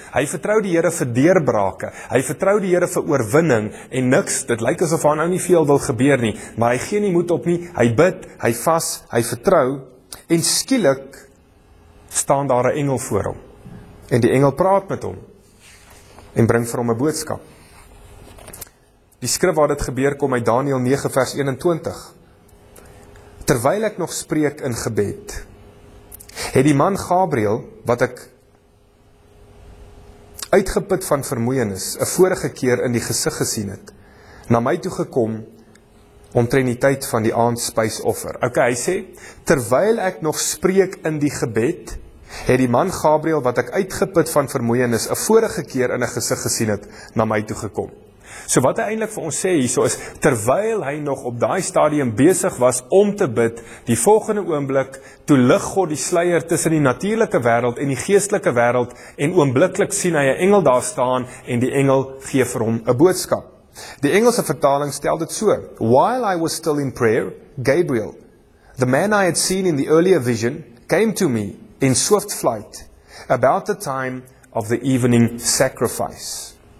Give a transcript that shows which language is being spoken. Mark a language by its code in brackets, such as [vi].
[af] Hy vertrou die Here vir deurbrake. Hy vertrou die Here vir oorwinning en niks, dit lyk asof aan nou nie veel wil gebeur nie, maar hy gee nie moed op nie. Hy bid, hy vas, hy vertrou en skielik staan daar 'n engel voor hom. En die engel praat met hom en bring vir hom 'n boodskap. Die skrif waar dit gebeur kom uit Daniël 9 vers 21. Terwyl ek nog spreek in gebed, het die man Gabriël, wat ek uitgeput van vermoeienis, 'n vorige keer in die gesig gesien het, na my toe gekom, omtrent die tyd van die aandspysoffer. Okay, hy sê, terwyl ek nog spreek in die gebed, het die man Gabriël, wat ek uitgeput van vermoeienis, 'n vorige keer in die gesig gesien het, na my toe gekom. So wat hy eintlik vir ons sê hierso is, terwyl hy nog op daai stadium besig was om te bid, die volgende oomblik, toe lig God die sluier tussen die natuurlike wêreld en die geestelike wêreld, en oombliklik sien hy 'n engel daar staan, en die engel gee vir hom 'n boodskap. Die Engelse vertaling stel dit so, [en] While I was still in prayer, Gabriel, the man I had seen in the earlier vision, came to me in swift flight, about the time of the evening sacrifice.